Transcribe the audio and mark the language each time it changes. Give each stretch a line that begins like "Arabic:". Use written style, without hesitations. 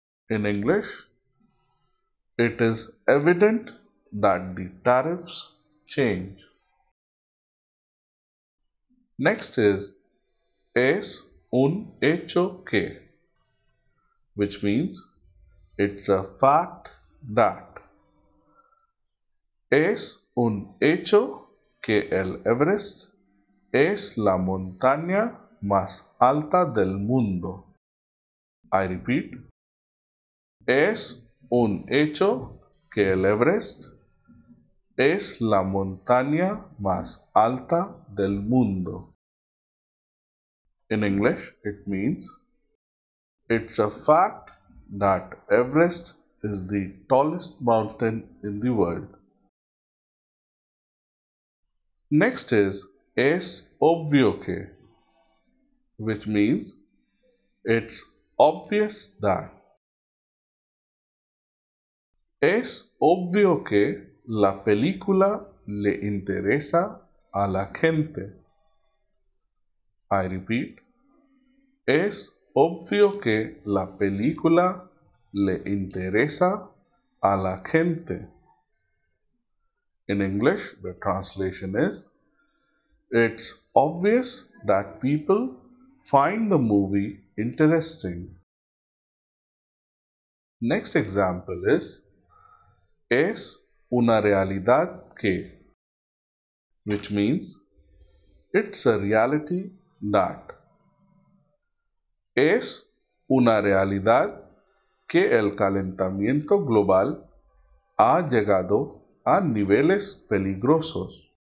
English: In English, it is evident that the tariffs change. Next is,
Spanish: es un hecho que,
English: which means, it's a fact that.
Spanish: Es un hecho que el Everest es la montaña más alta del mundo.
English: I repeat.
Spanish: Es un hecho que el Everest es la montaña más alta del mundo.
English: In English, it means, it's a fact that Everest is the tallest mountain in the world. Next is,
Spanish: es obvio que,
English: which means, it's obvious that.
Spanish: Es obvio que la película le interesa a la gente.
English: I repeat.
Spanish: Es obvio que la película le interesa a la gente.
English: In English, the translation is, it's obvious that people find the movie interesting. Next example is,
Spanish: es una realidad que,
English: which means, it's a reality that.
Spanish: Es una realidad que el calentamiento global ha llegado a niveles peligrosos.